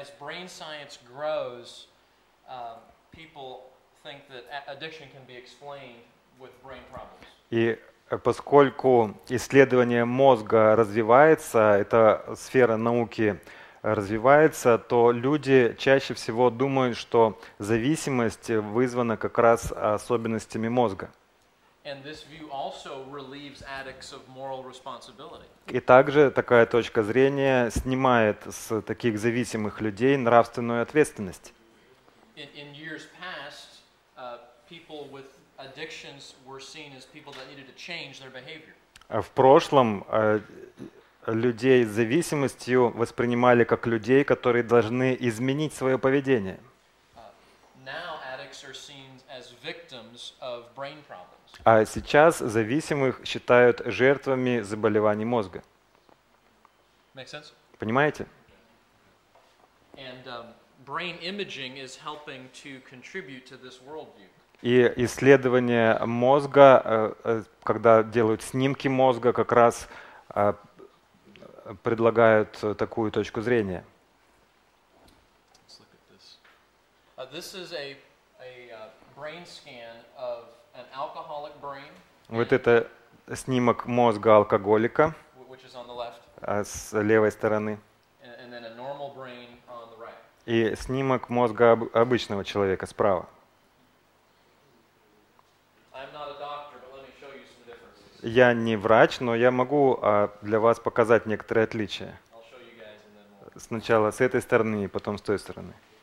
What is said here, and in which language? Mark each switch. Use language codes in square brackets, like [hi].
[en] as brain science grows, people think that addiction can be explained with brain problems. [ru] И поскольку исследование мозга развивается, эта сфера науки развивается, то люди чаще всего думают, что зависимость вызвана как раз особенностями мозга. [en] And this view also relieves addicts of moral responsibility. [ru] И также такая точка зрения снимает с таких зависимых людей нравственную ответственность. [en] In years past, people with addictions were seen as people that needed to change their behavior. [ru] В прошлом людей с зависимостью воспринимали как людей, которые должны изменить свое поведение. [en] Now addicts are seen as victims of brain problems. [ru] А сейчас зависимых считают жертвами заболеваний мозга. [en] Make sense? [ru] Понимаете? [en] And, brain imaging is helping to contribute to this worldview. [ru] И исследование мозга, когда делают снимки мозга, как раз предлагают такую точку зрения. [en] Let's look at this. This is a brain scan of an alcoholic brain. [ru] Вот это снимок мозга алкоголика с левой стороны. [en] And then a normal brain on the right. [ru] И снимок мозга обычного человека справа. [en] I'm not a doctor, but let me show you some differences. [ru] Я не врач, но я могу для вас показать некоторые отличия. [en] I'll show you guys and then we'll... [ru] Сначала с этой стороны, и потом с той стороны.